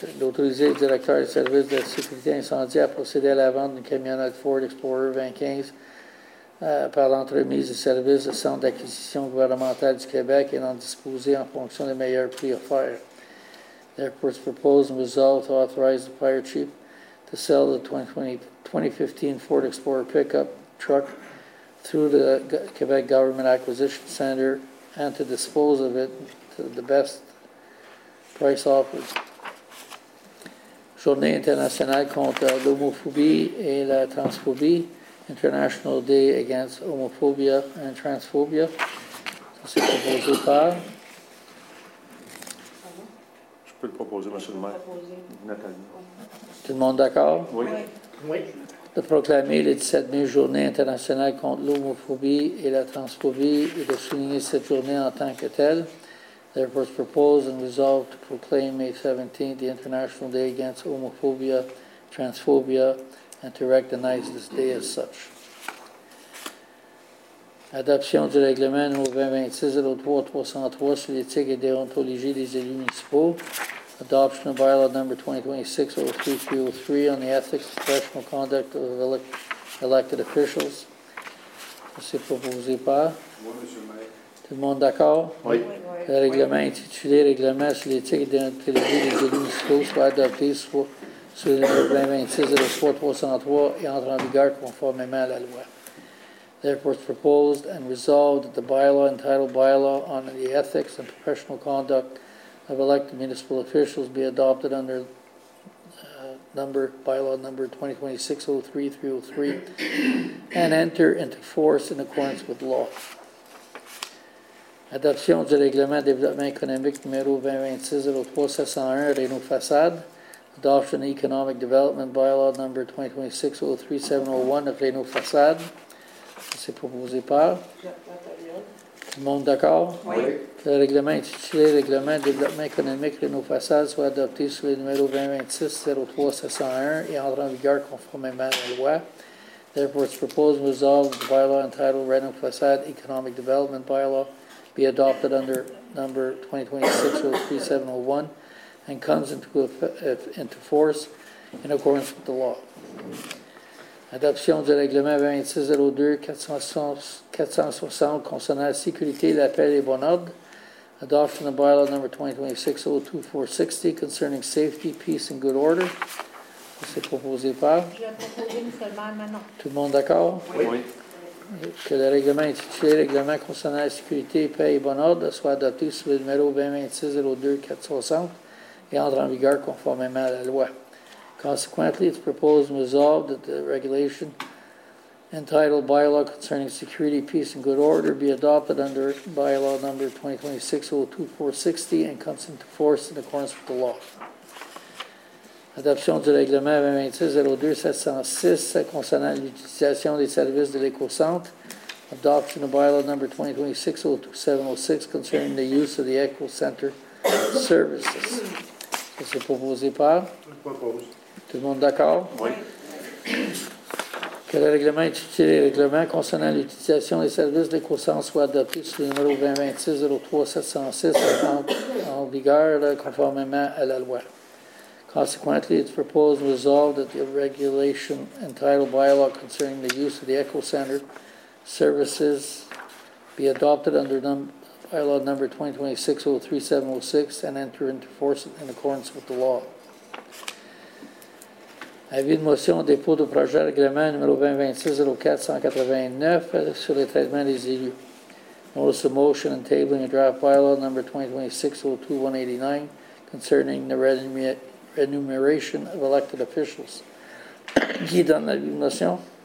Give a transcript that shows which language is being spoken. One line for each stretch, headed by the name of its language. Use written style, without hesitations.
French: D'autoriser le directeur du service de sécurité incendie à procéder à la vente d'une camionnette Ford Explorer 2015 par l'entremise du service du Centre d'acquisition gouvernementale du Québec et d'en disposer en fonction des meilleurs prix offerts.
English: Therefore, it's proposed and resolved to authorize the fire chief to sell the 2015 Ford Explorer pickup truck through the Quebec Government Acquisition Center and to dispose of it to the best price offered.
French: Journée internationale contre l'homophobie et la transphobie,
English: International Day Against Homophobia and Transphobia.
French: C'est proposé par. Je peux le proposer, M. le maire. Nathalie. Tout le monde d'accord? Oui. Oui. De proclamer le 17 mai journée internationale contre l'homophobie et la transphobie et de souligner cette journée en tant que telle.
English: Therefore, it's proposed and resolved to proclaim May 17th the International Day Against Homophobia, Transphobia, and to recognize this day as such.
French: Adoption du règlement numéro 2026-03-303 sur l'éthique et déontologie des élus municipaux.
English: Adoption of bylaw number 2026-03-303 on the ethics and professional conduct of elected officials.
French: C'est proposé par. Oui, M. le maire. Tout le monde d'accord? Oui. Le règlement intitulé Règlement sur l'éthique et déontologie des élus municipaux soit adopté sur le numéro 2026-03-303 et entre en vigueur conformément à la loi.
English: Therefore, it's proposed and resolved that the bylaw entitled Bylaw on the Ethics and Professional Conduct of Elected Municipal Officials be adopted under bylaw number 2026-03-303 and enter into force in accordance with law.
French: Adoption du règlement développement économique numéro 2026-03-701, Renault-Façade.
English: Adoption of Economic Development Bylaw number 2026-03-701 of Renault-Façade.
French: C'est proposé par? Tout le monde d'accord? Oui. Le règlement intitulé Règlement de développement économique Renault-Façade soit adopté sous le numéro 2026-03-701 et entre en vigueur conformément à la loi.
English: Therefore, it's proposed and resolved the bylaw entitled Renault-Façade Economic Development Bylaw be adopted under number 2026-03-701 and comes into force in accordance with the law.
French: Adoption du règlement 2602-460 concernant la sécurité, la paix et le bon ordre.
English: Adoption of bylaw number 2026-02-460 concerning safety, peace and good order.
French: Ça, c'est proposé par. Je l'ai proposé seulement maintenant. Tout le monde d'accord? Oui. Que le règlement intitulé règlement concernant la sécurité, paix et bon ordre soit adopté sous le numéro 2026-02-460 et entre en vigueur conformément à la loi.
English: Consequently, it's proposed and resolved that the regulation entitled Bylaw Concerning Security, Peace, and Good Order be adopted under Bylaw Number 2026-02-460 and comes into force in accordance with the law.
French: Adoption du règlement 2026-02-706 concernant l'utilisation des services de l'éco-centre.
English: Adoption of Bylaw Number 2026-02-706 concerning the use of the Eco-Center services.
French: Ça, c'est proposé par? Tout le monde d'accord? Oui. Que le règlement intitulé règlement concernant l'utilisation des services d'éco-centre soit adopté sur le numéro 2026-03-706 en vigueur conformément à la loi.
English: Consequently, it's proposed and resolved that the regulation entitled Bylaw Concerning the Use of the Eco-Center Services be adopted under bylaw number 2026-03-706 and enter into force in accordance with the law.
French: Avis de motion au dépôt du projet de règlement numéro 2026-04-189 sur le traitement des élus.
English: Notice of motion and tabling a draft bylaw number 2026-02-189 concerning the Remuneration of Elected Officials.
French: Qui donne la motion?